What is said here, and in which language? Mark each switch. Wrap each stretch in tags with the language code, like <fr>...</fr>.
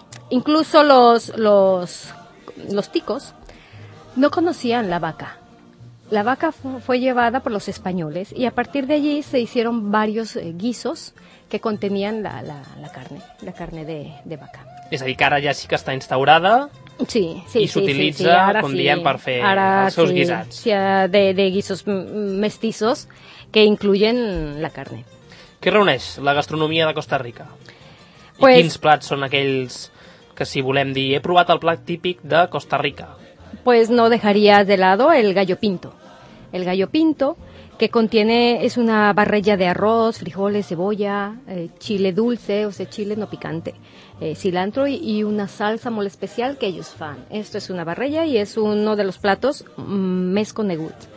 <es>Incluso los ticos no conocían la vaca. La vaca fue llevada por los españoles y a partir de allí se hicieron varios guisos que contenían la carne de vaca.</es> <ca>És a dir, que ara ja sí que està instaurada. Sí, sí, i s'utilitza, sí, com diem, per fer ara els seus guisats.</ca> <es>Sí, de guisos mestissos que incluyen la carne.</es> <ca>Què reuneix la gastronomia de Costa Rica? Pues, i quins plats són aquells que, si volem dir, he provat el plat típic de Costa Rica?</ca> <es>Pues no dejaría de lado el gallo pinto. El gallo pinto, que contiene, es una barrella de arroz, frijoles, cebolla, chile dulce, o sea, chile no picante, cilantro y una salsa muy especial que ellos fan. Esto es una barrella y es uno de los platos mesconegut.</es>